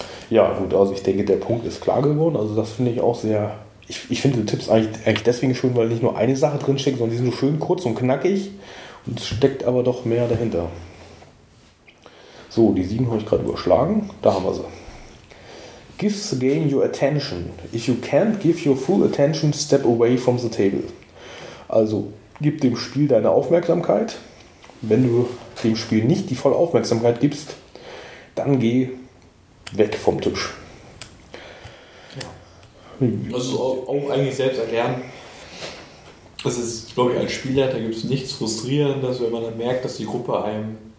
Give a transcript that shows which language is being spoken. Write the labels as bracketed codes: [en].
[de] Ja, gut, also ich denke, der Punkt ist klar geworden. Also das finde ich auch sehr. Ich finde die Tipps eigentlich deswegen schön, weil nicht nur eine Sache drinsteckt, sondern die sind so schön kurz und knackig und es steckt aber doch mehr dahinter. So, die 7 habe ich gerade überschlagen. Da haben wir sie. [en] Give the game your attention. If you can't give your full attention, step away from the table. [de] Also, gib dem Spiel deine Aufmerksamkeit. Wenn du dem Spiel nicht die volle Aufmerksamkeit gibst, dann geh weg vom Tisch. Das ist auch eigentlich selbst erklären. Das ist, glaube ich, als Spielleiter gibt es nichts Frustrierendes, wenn man dann merkt, dass die Gruppe einem